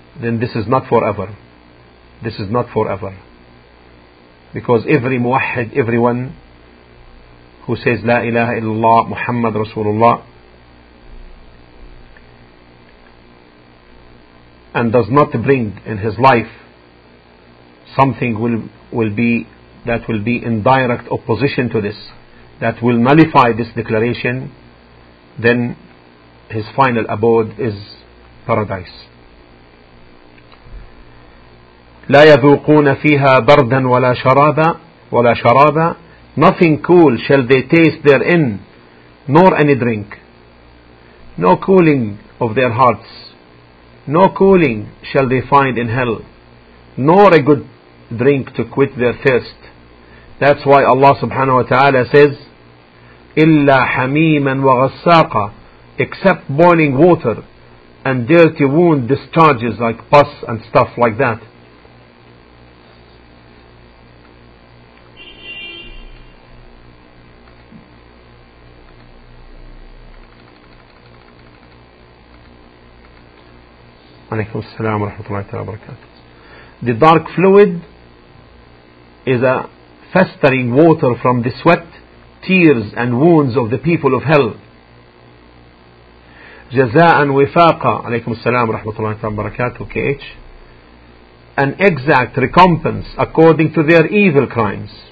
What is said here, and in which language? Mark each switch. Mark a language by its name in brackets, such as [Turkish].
[English] Then this is not forever, this is not forever, because every muwahhid, everyone who says La ilaha illallah Muhammad Rasulullah and does not bring in his life something will be in direct opposition to this, that will nullify this declaration, then his final abode is paradise. [Arabic] لا يذوقون فيها بردا ولا شرابا ولا شرابا. [English] Nothing cool shall they taste therein, nor any drink. No cooling of their hearts, no cooling shall they find in hell, nor a good drink to quit their thirst. That's why Allah subhanahu wa ta'ala says [Arabic] إلا حميما وغساقا, [English] except boiling water and dirty wound discharges like pus and stuff like that. [Arabic] عليكم السلام ورحمة الله وبركاته. [English] The dark fluid is a festering water from the sweat, tears and wounds of the people of hell. [Arabic] جزاء وفاقا, عليكم السلام ورحمة الله وبركاته, [English] KH, an exact recompense according to their evil crimes.